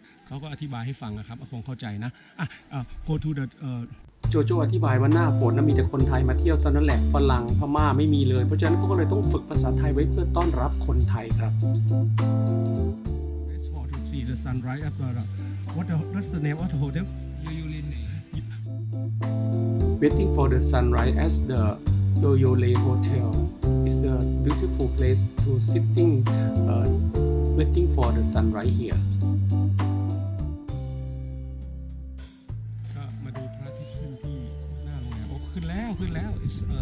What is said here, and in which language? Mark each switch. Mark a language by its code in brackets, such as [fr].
[th] เขาก็อธิบายให้ฟังนะครับคงเข้าใจนะ [en] go to the [th] โจโจ้อธิบายว่าหน้าฝนมีแต่คนไทยมาเที่ยวตอนนั้นแหละฝรั่งพม่าไม่มีเลยเพราะฉะนั้นเขาก็เลยต้องฝึกภาษาไทยไว้เพื่อต้อนรับคนไทยครับ [en] Let's walk to see the sunrise after what's the name of the hotel? Yoyolene. Waiting for the sunrise at the Yoyole Hotel is a beautiful place to sitting waiting for the sunrise here. [th] ก็มาดูพระอาทิตย์ขึ้นที่หน้าโรงแรมโอ้ขึ้นแล้วขึ้นแล้ว [en] it's